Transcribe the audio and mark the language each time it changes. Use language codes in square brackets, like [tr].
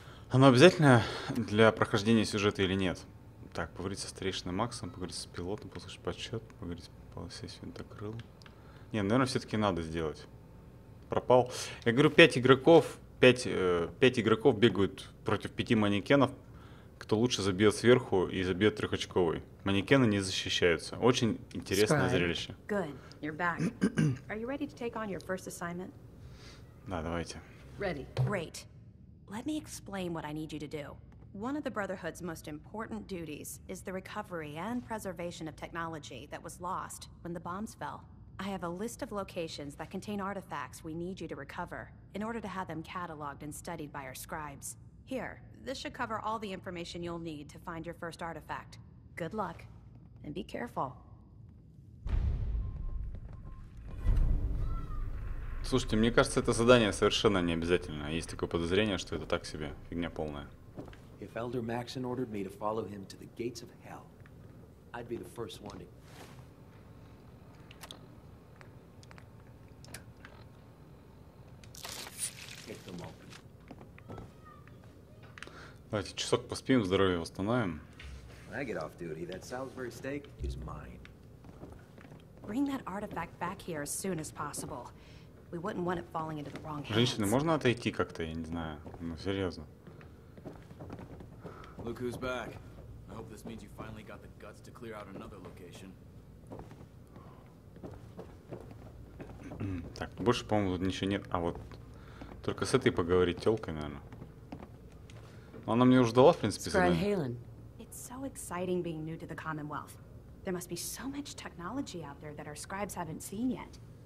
[ru] Оно обязательно для прохождения сюжета или нет? Так, поговорить со старейшиной Максом, поговорить с пилотом, послушать подсчет, поговорить с винтокрылом. Не, наверное, все-таки надо сделать. Пропал. Я говорю, пять игроков бегают против 5 манекенов. Кто лучше забьет сверху и забьет трехочковый. Манекены не защищаются. Очень интересное зрелище. [en] Good. You're back. Are you ready to take on your first assignment? [ru] Да, давайте. [en] Ready. Great. Let me explain what I need you to do. One of the Brotherhood's most important duties is the recovery and preservation of technology that was lost when the bombs fell. I have a list of locations that contain artifacts we need you to recover in order to have them cataloged and studied by our scribes. Here, this should cover all the information you'll need to find your first artifact. Good luck, and be careful. [ru] Слушайте, мне кажется, это задание совершенно не обязательно. Есть такое подозрение, что это так себе, фигня полная. [en] If Elder Maxon ordered me to follow him to the gates of hell, I'd be the first one to... Get them open. [ru] Давайте часок поспим, здоровье восстановим. [en] When I get off duty, that Salisbury steak is mine. Bring that artifact back here as soon as possible. We wouldn't want it falling into the wrong hands. [ru] Женщины, можно отойти как-то, я не знаю. Ну, серьезно. [en] Look who's back. I hope this means you finally got the guts to clear out another location. [ru] Так, больше, по-моему, тут ничего нет. А вот только с этой поговорить тёлкой, наверное. Но она мне уже дала, в принципе, задание. [en] Scribe Halen. It's so exciting being new to the Commonwealth. There must be so much technology out there that our scribes haven't seen yet.